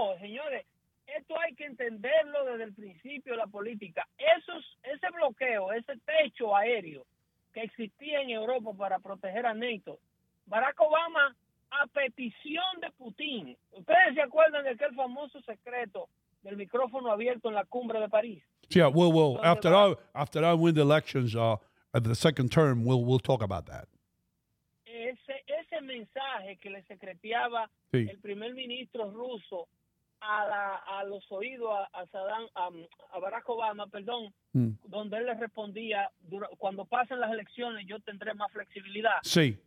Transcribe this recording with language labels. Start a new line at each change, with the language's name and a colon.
Spanish: Señores, esto hay que entenderlo desde el principio de la política. Ese bloqueo, ese techo aéreo que existía en Europa para proteger a NATO, Barack Obama, a petición de Putin. ¿Ustedes se acuerdan de aquel famoso secreto del micrófono abierto en la cumbre de París?
English: Yeah, well, after I win the elections, at the second term, we'll talk about that.
Spanish: Ese mensaje que le secreteaba el primer ministro ruso a los oídos a Barack Obama, donde él le respondía, cuando pasen las elecciones yo tendré más flexibilidad. Sí.